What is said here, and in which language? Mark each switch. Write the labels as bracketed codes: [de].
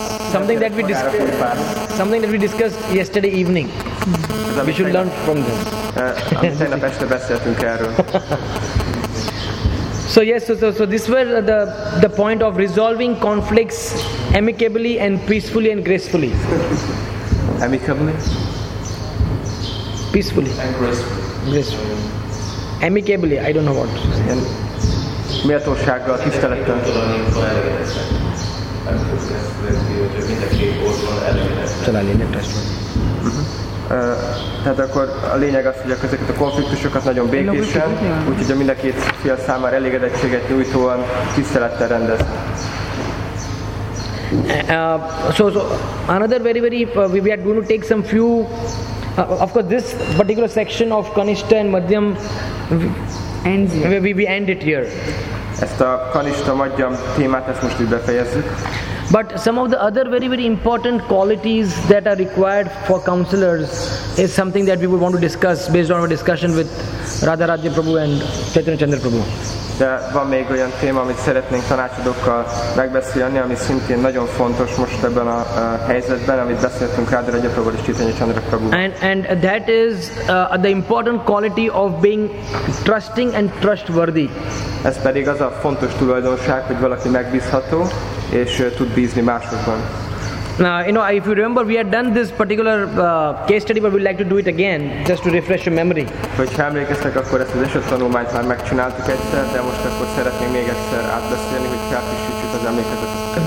[en] something that we discussed yesterday evening. We should learn from this. [hu] Amit tegnap este beszéltünk erről. [en] So yes, so this was the point of resolving conflicts amicably and peacefully and gracefully. Amicably? Peacefully. And gracefully. Amicably, I don't know what. And [hu] méltósággal, tisztelettel. Tehát akkor a lényeg az, hogy ezeket a konfliktusokat nagyon békésen, úgyhogy a mind a két fél számára elégedettséget nyújtóan tisztelettel rendezni. [en] So another very we are going to take some few of course this particular section of Kanishtha and Madhyam ends here. We end it here. [hu] Ezt a Kanishtha Madhyam témát ezt most így befejezzük. [en] But some of the other very important qualities that are required for counselors is something that we would want to discuss based on our discussion with Radha Rajya Prabhu and Chaitanya Chandra Prabhu. [hu] De van még olyan téma, amit szeretnénk tanácsadókkal megbeszélni, ami szintén nagyon fontos most ebben a helyzetben, amit beszéltünk Radha Rajya Prabhu és Chaitanya Chandra Prabhu. [en] And that is the important quality of being trusting and trustworthy. [hu] Ez pedig az a fontos tulajdonság, hogy valaki megbízható és tud bízni másokban. [en] Now, you know, if you remember, we had done this particular case study, but we'd like to do it again, just to refresh your memory. [hu] Hogyha emlékeztek, akkor ezt az esettanulmányt már megcsináltuk egyszer, de most akkor szeretném még egyszer átbeszélni, hogy felfrissítsük az emlékezetet.